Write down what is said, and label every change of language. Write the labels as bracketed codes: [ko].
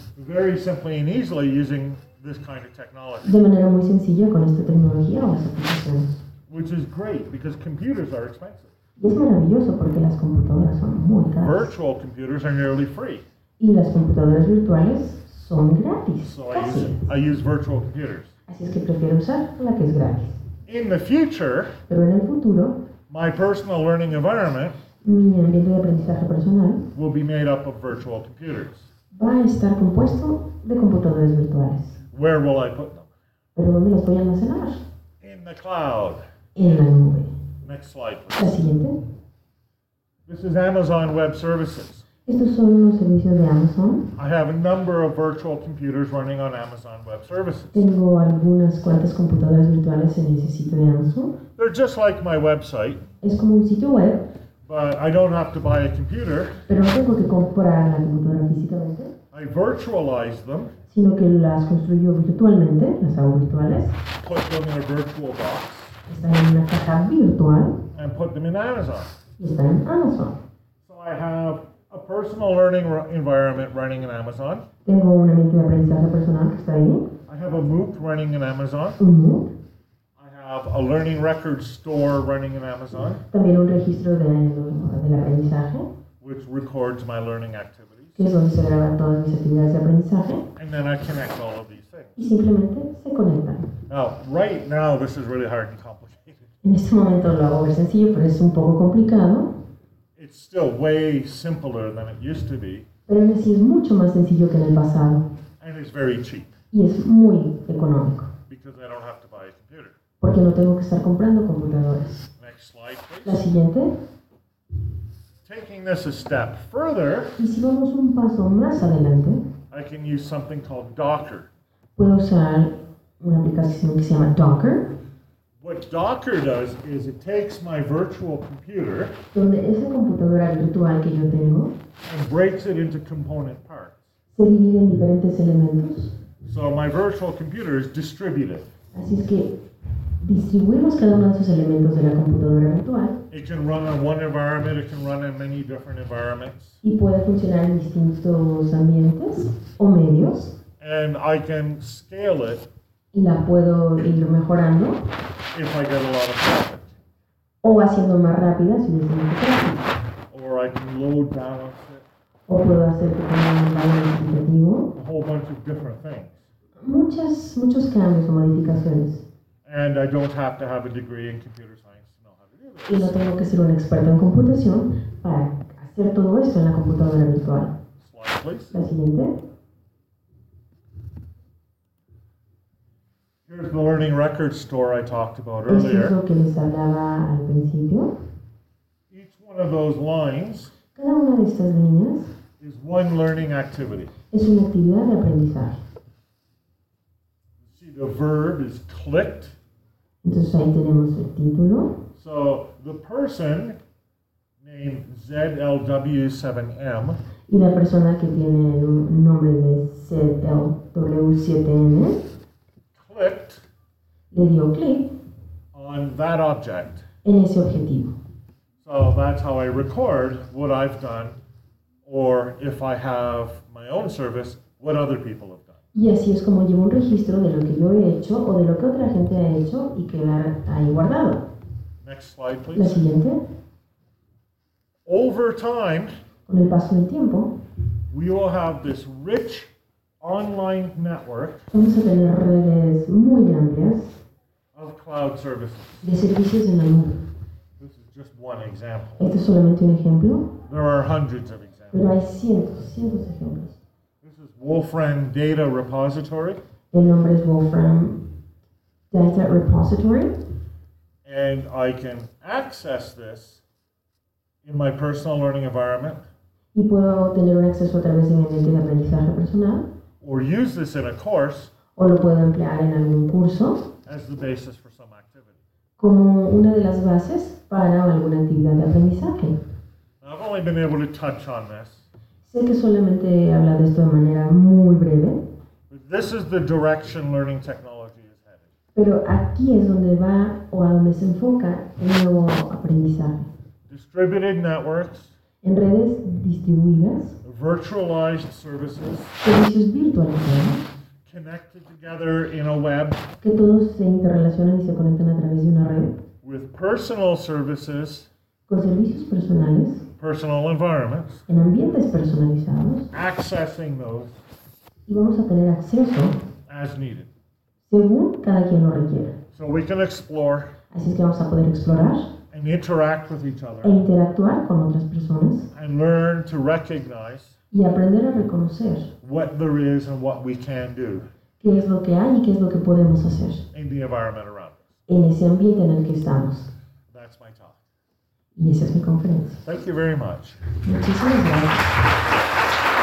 [en] Very simply and easily using this kind of technology. [es] De manera muy sencilla con esta tecnología o esta aplicación. [en] Which is great because computers are expensive. [es] Y es maravilloso porque las computadoras son muy caras. [en] Virtual computers are nearly free. [es] Y las computadoras virtuales. Son gratis, [en] so I use virtual computers. [es] Así es que prefiero usar la que es gratis. [en] In the future, [es] pero en el futuro, [en] my personal learning environment, [es] mi ambiente de aprendizaje personal, [en] will be made up of virtual computers. [es] Va a estar compuesto de computadores virtuales. [en] Where will I put them? [es] ¿Pero dónde los voy a almacenar? [en] In the cloud. [es] En la nube. [en] Next slide, please. [es] La siguiente. [en] This is Amazon Web Services. [es] Estos son los servicios de Amazon. [en] I have a number of virtual computers running on Amazon Web Services. [es] Tengo algunas cuantas computadoras virtuales en ese sitio de Amazon. [en] They're just like my website. [es] Es como un sitio web. [en] But I don't have to buy a computer. [es] Pero no tengo que comprar la computadora físicamente. [en] I virtualize them. [es] Sino que las construyo virtualmente, las hago virtuales. [en] Put them in a virtual box. [es] Están en una caja virtual. [en] And put them in Amazon. [es] Y están en Amazon. [en] So I have a personal learning environment running in Amazon. [es] Tengo un ambiente de aprendizaje personal que está ahí. [en] I have a MOOC running in Amazon. [es] MOOC. [en] I have a learning record store running in Amazon. [es] También un registro del aprendizaje. [en] Which records my learning activities. [es] Que es donde se graban todas mis actividades de aprendizaje. [en] And then I connect all of these things. [es] Y simplemente se conectan. [en] Now, right now, this is really hard and complicated. [es] En este momento lo hago muy sencillo, pero es un poco complicado. [en] It's still way simpler than it used to be. [es] Pero es mucho más sencillo que en el pasado. [en] And it's very cheap. [es] Y es muy económico. [en] Because I don't have to buy a computer. [es] Porque no tengo que estar comprando computadores. [en] Next slide, please. [es] La siguiente. [en] Taking this a step further. [es] Y si vamos un paso más adelante. [en] I can use something called Docker. [es] Puedo usar una aplicación que se llama Docker. [en] What Docker does is it takes my virtual computer [es] donde esa computadora virtual que yo tengo, [en] and breaks it into component parts. [es] Se divide en diferentes elementos. [en] So my virtual computer is distributed. [es] Así es que distribuimos cada uno de esos elementos de la computadora virtual. [en] It can run on one environment, it can run in many different environments. [es] Y puede funcionar en distintos ambientes o medios. [en] And I can scale it. [es] Y la puedo ir mejorando. [en] If I get a lot of traffic. [es] O haciendo más rápida si no tengo tráfico. [en] Or I can load balance it. [es] O puedo hacer que tenga un balance equitativo. [en] A whole bunch of different things. [es] Muchos cambios o modificaciones. [en] And I don't have to have a degree in computer science to know how to do this. [es] Y no tengo que ser un experto en computación para hacer todo esto en la computadora virtual. [en] Slide, please. [es] La siguiente. [en] Here's the learning record store I talked about earlier. [es] Es lo que les hablaba al principio. [en] Each one of those lines, [es] cada una de estas líneas, [en] is one learning activity. [es] Es una actividad de aprendizaje. [en] You see, the verb is clicked. [es] Entonces ahí tenemos el título. [en] So the person named ZLW7M. [es] Y la persona que tiene el nombre de ZLW7M. Le dio clic [en] on that object. [es] En ese objetivo. [en] So that's how I record what I've done, or if I have my own service, what other people have done. [es] Y así es como llevo un registro de lo que yo he hecho o de lo que otra gente ha hecho y quedar ahí guardado. [en] Next slide, please. [es] La siguiente. [en] Over time, [es] con el paso del tiempo, [en] we will have this rich online network, [es] vamos a tener redes muy amplias [en] of cloud services. [es] De servicios en la nube. [en] This is just one example. [es] Este es solamente un ejemplo. [en] There are hundreds of examples. [es] Pero hay cientos de ejemplos. [en] This is Wolfram Data Repository. [es] El nombre es Wolfram Data Repository. [en] And I can access this in my personal learning environment. [es] Y puedo tener un acceso a través de mi ambiente de aprendizaje personal. [en] Or use this in a course. [es] O lo puedo emplear en algún curso. [en] As the basis for some activity. [es] Como una de las bases para alguna actividad de aprendizaje. [en] Now, I've only been able to touch on this. [es] Sé que solamente he hablado de esto de manera muy breve. [en] But this is the direction learning technology is headed. [es] Pero aquí es donde va o a donde se enfoca el nuevo aprendizaje. [en] Distributed networks. [es] En redes distribuidas, [en] virtualized services, [es] servicios virtuales, [en] connected together in a web, [es] que todos se interrelacionan y se conectan a través de una red, [en] with personal services, [es] con servicios personales, [en] personal environments, [es] en ambientes personalizados, [en] accessing those, [es] y vamos a tener acceso [en] as needed, [es] según cada quien lo requiera. [en] So we can explore, [es] así es que vamos a poder explorar. [en] And interact with each other. [es] E interactuar con otras personas. [en] And learn to recognize. [es] Y aprender a reconocer. [en] What there is and what we can do. [es] Qué es lo que hay y qué es lo que podemos hacer. [en] In the environment around us. [es] En ese ambiente en el que estamos. [en] That's my talk. [es] Y esa es mi conferencia. [en] Thank you very much. [es] Muchísimas gracias.